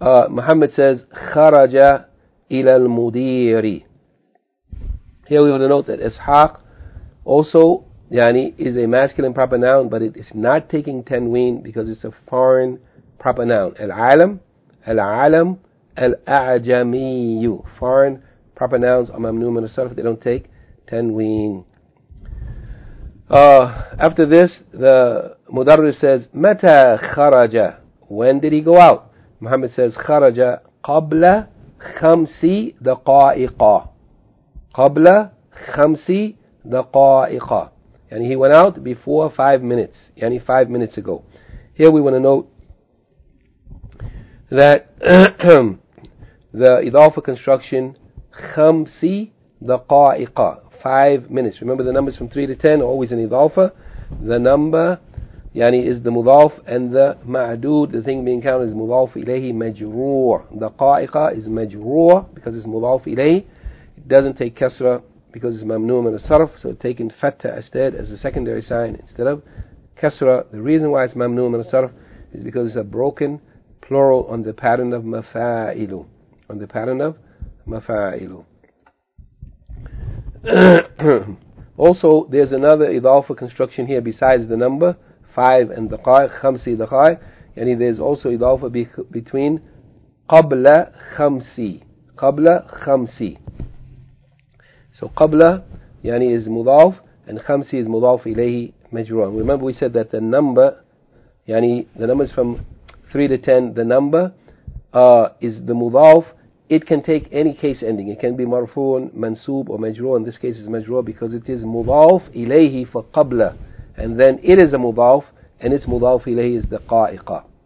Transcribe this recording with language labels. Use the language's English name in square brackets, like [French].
[Arabic] Muhammad [English] says, [Arabic] خرج إلى المدير. [English] Here we want to note that إسحاق also يعني is a masculine proper noun, but it is not taking تنوين because it's a foreign proper noun. [Arabic] العالم, العالم الأعجمي. [English] Foreign proper nouns are ممنوع من الصرف, they don't take تنوين. After this, the مدرس says, [Arabic] متى خرج? [English] When did he go out? [Arabic] Muhammad says, خرج قبل خمس دقائق. قبل خمس دقائق. [English] And he went out before 5 minutes. [Arabic] يعني [English] 5 minutes ago. Here we want to note that the إضافة construction خمس دقائق. 5 minutes. Remember the numbers from 3 to 10 are always an إضافة. The number يعني is the مضاف and the معدود, the thing being counted, is مضاف إليه مجرور. [Arabic] دقائق is مجرور because it's مضاف إليه. [English] It doesn't take كسرة because it's ممنوع من الصرف, so taking فتح instead as a secondary sign instead of كسرة. The reason why it's ممنوع من الصرف is because it's a broken plural on the pattern of مفاعل. On the pattern of مفاعل. Also, there's another إضافة construction here besides the number 5 and دقائق, خمس دقائق. يعني there's also إضافة between قبل خمس. [Arabic] قبل خمس. [English] So [Arabic] قبل يعني is مضاف and خمس is مضاف إليه مجرور. [English] Remember we said that the number يعني the numbers from 3 to 10, the number is the مضاف. It can take any case ending. It can be marfoon, mansoob, or majroor. In this case, it's majroor because it is mudaf ilayhi for qabla. And then it is a mudaf, and its mudaf ilayhi is daqa'iqa.